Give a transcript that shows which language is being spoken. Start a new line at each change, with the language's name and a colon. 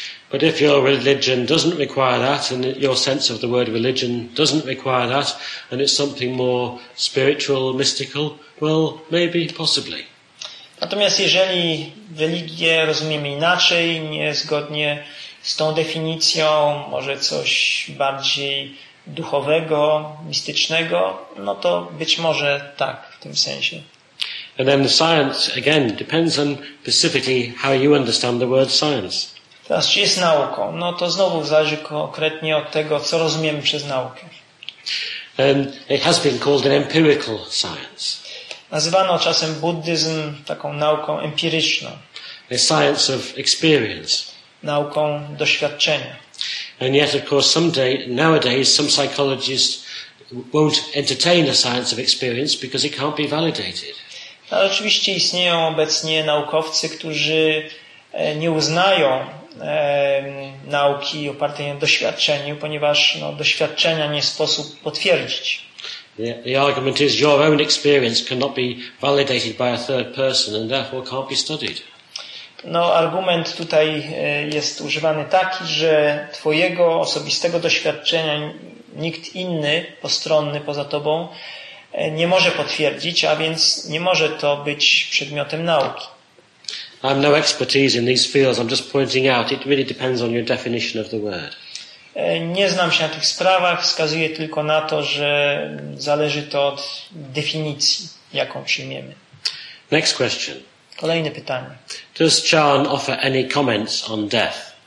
English: But if your religion doesn't require that, and your sense of the word religion doesn't require that, and it's something more spiritual, mystical, well, maybe, possibly.
Polish: Natomiast jeżeli religię rozumiemy inaczej, niezgodnie z tą definicją, może coś bardziej duchowego, mistycznego, no to być może tak w tym sensie.
English: And then the science again depends on specifically how you understand the word science.
Polish: Teraz, czy jest nauką? No to znowu zależy konkretnie od tego, co rozumiemy przez naukę.
English: It has been called an empirical science.
Polish: Nazywano czasem buddyzm taką nauką empiryczną.
English: A science of experience.
Polish: Nauką doświadczenia.
English: And yet, of course, someday, nowadays, some psychologists won't entertain a science of experience because it can't be validated.
Polish: Ale oczywiście istnieją obecnie naukowcy, którzy nie uznają nauki opartej na doświadczeniu, ponieważ no, doświadczenia nie sposób potwierdzić.
English: The argument is your own experience cannot be validated by a third person and therefore can't be studied.
Polish: No, argument tutaj jest używany taki, że twojego osobistego doświadczenia nikt inny, postronny poza tobą, nie może potwierdzić, a więc nie może to być przedmiotem nauki.
English: I'm no expertise in these fields. I'm just pointing out it really depends on your definition of the word.
Polish: Nie znam się na tych sprawach, wskazuję tylko na to, że zależy to od definicji, jaką przyjmiemy.
English: Next question.
Polish: Kolejne pytanie.
English: Does Chan offer any comments on death?